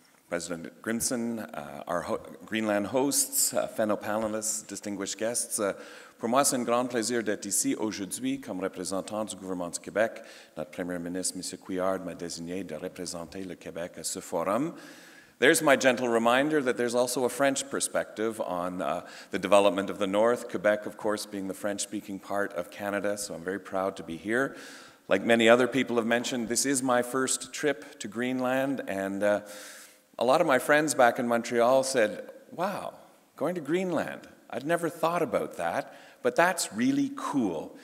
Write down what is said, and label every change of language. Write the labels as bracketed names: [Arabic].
[English] President Grimson, our Greenland hosts, fellow panelists, distinguished guests. [French] Pour moi, c'est un grand plaisir d'être ici aujourd'hui comme représentant du gouvernement du Québec. Notre premier ministre, M. Couillard, m'a désigné de représenter le Québec à ce forum. [English] There's my gentle reminder that there's also a French perspective on the development of the North, Quebec, of course, being the French-speaking part of Canada, so I'm very proud to be here. Like many other people have mentioned, this is my first trip to Greenland, and a lot of my friends back in Montreal said, wow, going to Greenland, I'd never thought about that, but that's really cool.